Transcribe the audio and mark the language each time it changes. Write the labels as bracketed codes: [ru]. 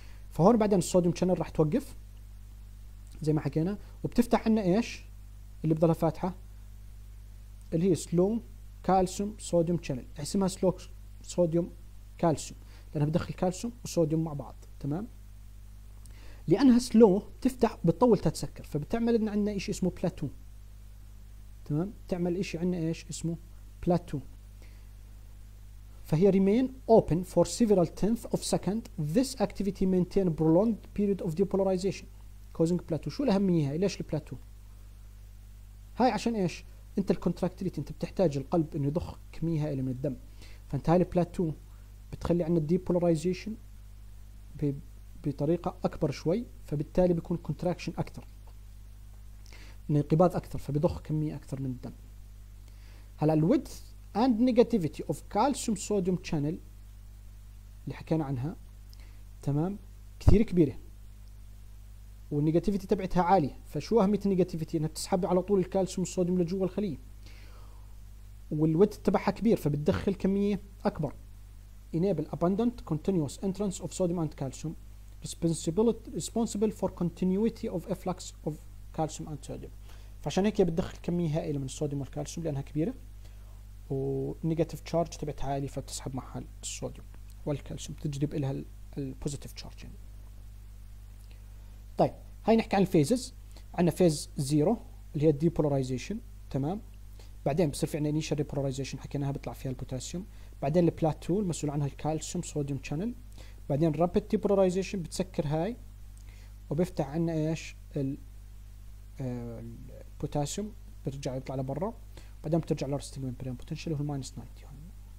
[ar] فهون بعدين الصوديوم شانل راح توقف زي ما حكينا، وبتفتح عنا ايش اللي بضلها فاتحه؟ اللي هي سلو كالسيوم صوديوم شانل، اسمها سلو صوديوم كالسيوم لانها بدخل كالسيوم وصوديوم مع بعض، تمام؟ لانها سلو بتفتح بتطول تتسكر، فبتعمل لنا عندنا شيء اسمه بلاتو، تمام؟ تعمل شيء عندنا ايش اسمه بلاتو. [en] فهي remain open for several tenths of second. This activity maintain prolonged period of depolarization causing plateau. [ar] شو الأهمية هاي؟ ليش البلاتو؟ هاي عشان ايش؟ انت الكونتراكتيليتي، انت بتحتاج القلب انه يضخ كمية هائلة من الدم، فانت هاي البلاتو بتخلي عندنا depolarization بطريقة أكبر شوي، فبالتالي بيكون contraction أكثر، انقباض أكثر، فبيضخ كمية أكثر من الدم. هلا الـ [en] width and negativity of calcium sodium channel [ar] اللي حكينا عنها، تمام، كثير كبيرة والنيجاتيفيتي تبعتها عالية، فشو أهمية النيجاتيفيتي؟ إنها بتسحب على طول الكالسيوم والصوديوم لجوا الخلية، والـ width تبعها كبير فبتدخل كمية أكبر. [en] enable abundant continuous entrance of sodium and calcium responsible for continuity of efflux of calcium and sodium. [ar] فعشان هيك بتدخل كمية هائلة من الصوديوم والكالسيوم لأنها كبيرة ونيجاتيف تشارج تبعتها عالي فبتسحب معها الصوديوم والكالسيوم بتجذب إلها البوزيتيف تشارج يعني. طيب هاي نحكي عن الفيزز. عندنا فيز 0 اللي هي الديبولاريزيشن تمام، بعدين بصير في عندنا انيشال ديبولاريزيشن حكيناها بيطلع فيها البوتاسيوم، بعدين البلاتو المسؤول عنها الكالسيوم صوديوم شانل، بعدين رابيد ديبولاريزيشن بتسكر هاي وبيفتح عندنا ايش البوتاسيوم بترجع يطلع لبرا، بعدين بترجع لارستنج ممبرين بوتنشال هو ماينس 90 هون.